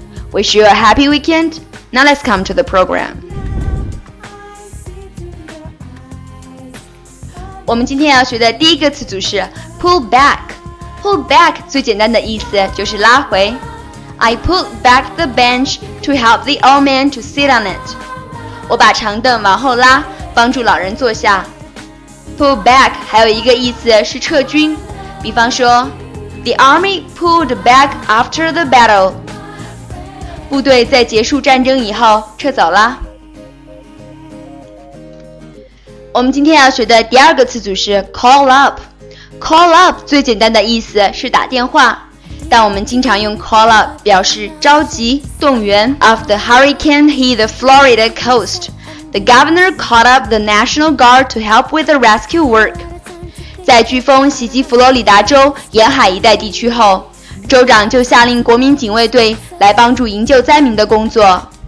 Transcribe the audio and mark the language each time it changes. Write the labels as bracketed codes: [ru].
[en] Wish you a happy weekend. Now let's come to the program. [zh] 我们今天要学的第一个词组是 pull back. Pull back 最简单的意思就是拉回。 [en] I pulled back the bench to help the old man to sit on it. [zh] 我把长凳往后拉，帮助老人坐下。 Pull back 还有一个意思是撤军，比方说 [en] The army pulled back after the battle. [zh] 部队在结束战争以后撤走了。我们今天要学的第二个词组是 call up. Call up 最简单的意思是打电话，但我们经常用 call up 表示召集动员。 [en] After the hurricane hit the Florida coast,The governor called up the National Guard to help with the rescue work. [zh] 在飓风袭击佛罗里达州沿海一带地区后，州长就下令国民警卫队来帮助营救灾民的工作。